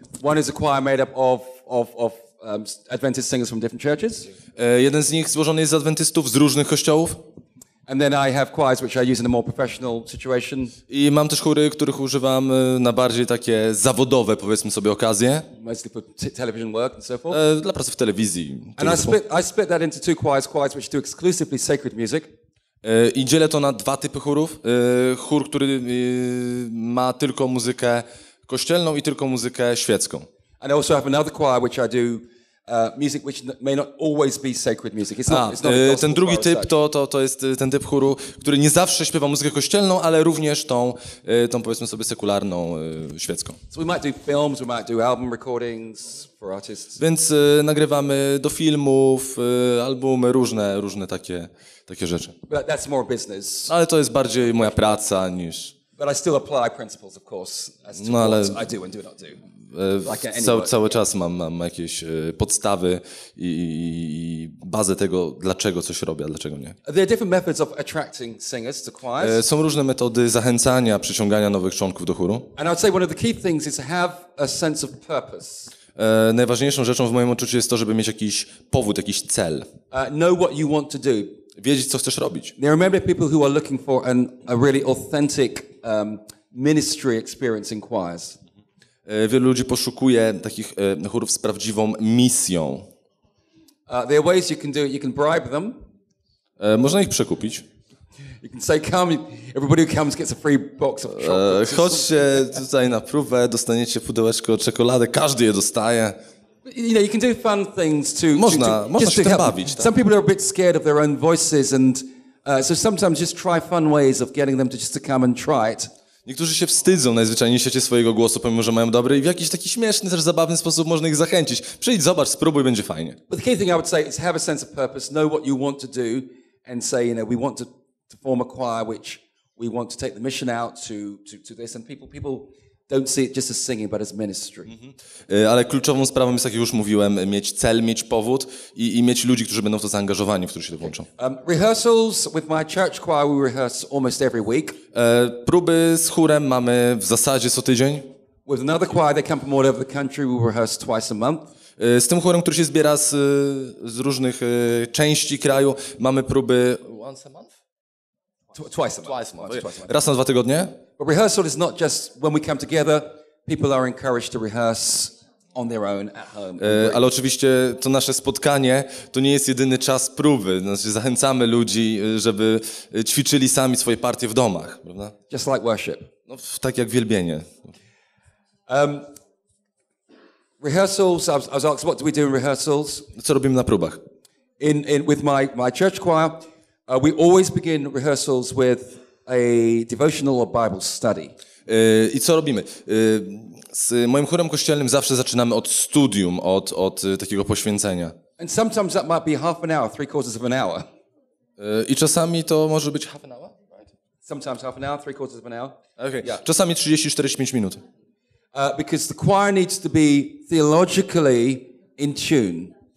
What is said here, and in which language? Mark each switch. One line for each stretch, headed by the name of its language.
English: One is a choir made up of Adventist singers from different churches.
Polish: Jeden z nich złożony jest z adwentystów z różnych kościołów.
English: And then I have choirs which I use in a more professional situation.
Polish: I mam też chóry, których używam na bardziej takie zawodowe, powiedzmy sobie, okazje.
English: Mostly for television work and so forth.
Polish: Dla pracy w telewizji.
English: And I split that into two choirs which do exclusively sacred music.
Polish: I dzielę to na dwa typy chórów. Chór, który ma tylko muzykę kościelną i tylko muzykę świecką.
English: And also have another choir which I do music which may not always be sacred music.
Polish: Ten drugi typ to jest ten typ chóru, który nie zawsze śpiewa muzykę kościelną, ale również tą powiedzmy sobie sekularną, świecką.
English: So we might do films, we might do album recordings for artists.
Polish: Więc nagrywamy do filmów, albumy, różne takie rzeczy.
English: But that's more business.
Polish: Ale to jest bardziej moja praca niż.
English: But I still apply principles, of course, as to what I do and do not do.
Polish: Cały czas mam jakieś podstawy i bazę tego, dlaczego coś robię, a dlaczego nie.
English: There are different methods of attracting singers to choirs.
Polish: Są różne metody zachęcania, przyciągania nowych członków do chóru.
English: And I'd say one of the key things is to have a sense of purpose.
Polish: Najważniejszą rzeczą w moim odczuciu jest to, żeby mieć jakiś powód, jakiś cel.
English: Know what you want to do.
Polish: Wiedzieć, co chcesz robić.
English: There are many people who are looking for a really authentic ministry experience in choirs.
Polish: Wielu ludzi poszukuje takich chórów z prawdziwą misją.
English: There are ways you can do it. You can bribe them.
Polish: Można ich przekupić.
English: You can say, come, everybody who comes gets a free box of chocolate.
Polish: Chodźcie tutaj na próbę, dostaniecie pudełeczko czekolady, każdy je dostaje.
English: You know, you can do fun things to.
Polish: Można się tym bawić. Tak.
English: Some people are a bit scared of their own voices, and so sometimes just try fun ways of getting them to just to come and try it.
Polish: Niektórzy się wstydzą najzwyczajniej w świecie swojego głosu, pomimo że mają dobry, i w jakiś taki śmieszny, też zabawny sposób można ich zachęcić. Przyjdź, zobacz, spróbuj, będzie fajnie.
English: But the key thing I would say is have a sense of purpose, know what you want to do, and say, you know, we want to form a choir which we want to take the mission out to this, and people don't see it just as singing, but as ministry. Mm-hmm.
Polish: Ale kluczową sprawą jest, jak już mówiłem, mieć cel, mieć powód i mieć ludzi, którzy będą w to zaangażowani, w którzy się to włączą.
English: Rehearsals with my church choir, we rehearse almost every week.
Polish: Próby z chórem mamy w zasadzie co tydzień.
English: With another choir that come from all over the country, we rehearse twice a month.
Polish: Z tym chórem, który się zbiera z różnych części kraju, mamy próby
English: once a month? Twice a month.
Polish: Raz na dwa tygodnie.
English: But rehearsal is not just when we come together, people are encouraged to rehearse on their own at home.
Polish: Ale oczywiście to nasze spotkanie to nie jest jedyny czas próby. Znaczy, zachęcamy ludzi, żeby ćwiczyli sami swoje partie w domach, prawda?
English: Just like worship.
Polish: No, tak jak wielbienie.
English: Rehearsals, I was asked, what do we do in rehearsals?
Polish: Co robimy na próbach?
English: With my church choir, we always begin rehearsals with a devotional or Bible study.
Polish: I co robimy? Z moim chórem kościelnym zawsze zaczynamy od studium, od takiego poświęcenia.
English: And sometimes that might be half an hour, three quarters of an hour.
Polish: I czasami to może być
English: half an hour, right? Sometimes half an hour, three quarters of an hour. Okay. Yeah.
Polish: Czasami 30-45 minut.
English: Because the choir needs to be theologically in tune.